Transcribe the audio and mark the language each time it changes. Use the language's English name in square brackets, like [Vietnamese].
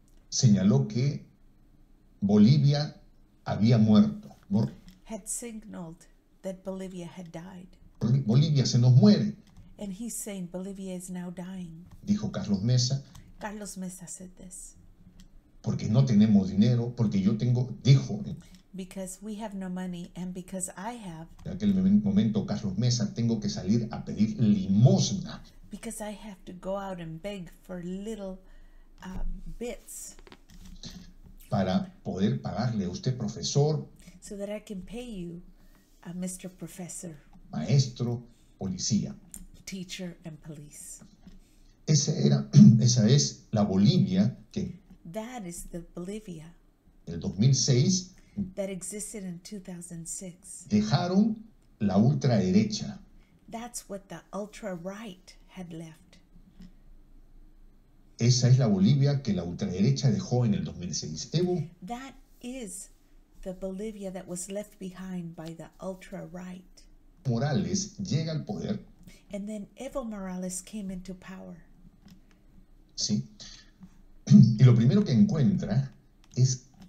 [Spanish] Señaló que Bolivia había muerto. [English] Had signaled that Bolivia had died. [Spanish] Bolivia se nos muere. [English] And he's saying Bolivia is now dying. [Spanish] Dijo Carlos Mesa. [English] Carlos Mesa said this. [Spanish] Porque no tenemos dinero, porque yo tengo, dijo. [English] Because we have no money and because I have. [Spanish] En aquel momento, Carlos Mesa, tengo que salir a pedir limosna. [English] Because I have to go out and beg for little bits. [Spanish] Para poder pagarle a usted, profesor. [English] So that I can pay you, Mr. Professor. [Spanish] Maestro, policía. [English] Teacher and police. [Spanish] Esa es la Bolivia que. [English] That is the Bolivia. [Spanish] El 2006. [English] That existed in 2006. [Spanish] Dejaron la ultraderecha. [English] That's what the ultra right had left. [Spanish] Esa es la Bolivia que la ultraderecha dejó en el 2006. Evo. [English] That is the Bolivia that was left behind by the ultra right. [Spanish] Morales llega al poder. [English] And then Evo Morales came into power. [Spanish] Sí. Y lo primero que encuentra es.